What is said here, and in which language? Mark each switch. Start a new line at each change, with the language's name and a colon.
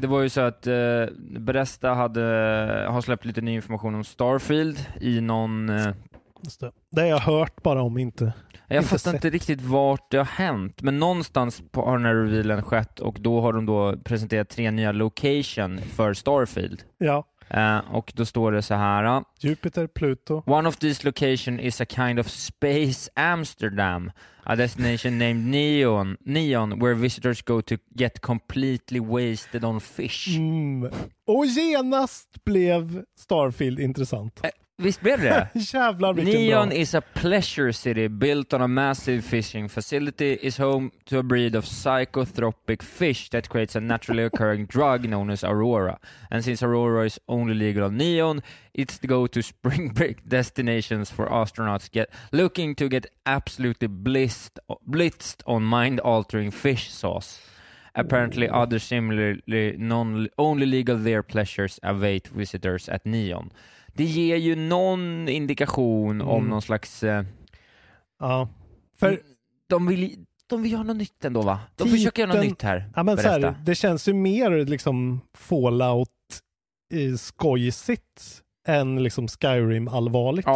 Swedish: Det var ju så att Bresta har släppt lite ny information om Starfield i någon... Det har jag hört bara om, inte jag inte fattar sett. Inte riktigt vart det har hänt, men någonstans har den här revealen skett och då har de då presenterat 3 nya location för Starfield. Ja. Och då står det så här: Jupiter, Pluto.
English: One of these location is a kind of space Amsterdam, a destination named Neon where visitors go to get completely wasted on fish.
Swedish: Mm. Och genast blev Starfield intressant. Visst blev det? Jävlar, vilken Neon bra.
English: Is a pleasure city built on a massive fishing facility is home to a breed of psychotropic fish that creates a naturally occurring drug known as Aurora. And since Aurora is only legal on Neon, it's the go-to spring break destinations for astronauts looking to get absolutely blitzed on mind-altering fish sauce. Apparently other similarly only legal there pleasures await visitors at Neon.
Swedish: Det ger ju någon indikation om någon slags... Ja, för... De vill göra något nytt ändå, va? De försöker göra något nytt här. Ja, men så här, det känns ju mer liksom Fallout-skojsigt än liksom Skyrim-allvarligt.